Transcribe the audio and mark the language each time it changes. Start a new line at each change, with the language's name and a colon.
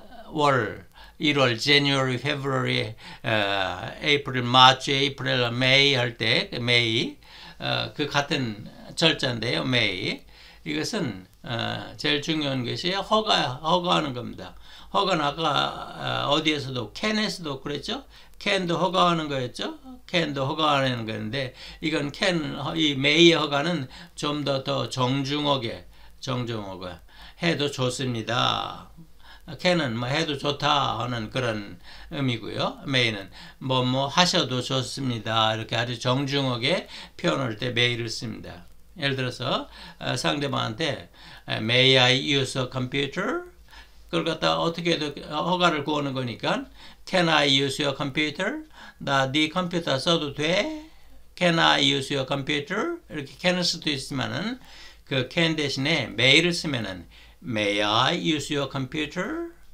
English: 월, 1월, January, February, April, March, April, May 할 때, May.
Korean: 그 같은 절자인데요. May. 이것은 제일 중요한 것이 허가하는 겁니다. 허가는 아까 어디에서도 can에서도 그랬죠? can도 허가하는 거였죠? can도 허가하는 건데 이건 can 이 may의 허가는 좀더더 정중하게 해도 좋습니다. can은 뭐 해도 좋다 하는 그런 의미고요. may는 뭐뭐 하셔도 좋습니다. 이렇게 아주 정중하게 표현할 때 may를 씁니다. 예를 들어서 상대방한테
English: May I use a computer?
Korean: 그걸 갖다 어떻게든 허가를 구하는 거니까
English: Can I use your computer?
Korean: 나네 컴퓨터 써도 돼?
English: Can I use your computer?
Korean: 이렇게 can을 수도 있지만은 그 can 대신에 may를 쓰면은
English: May I use your computer?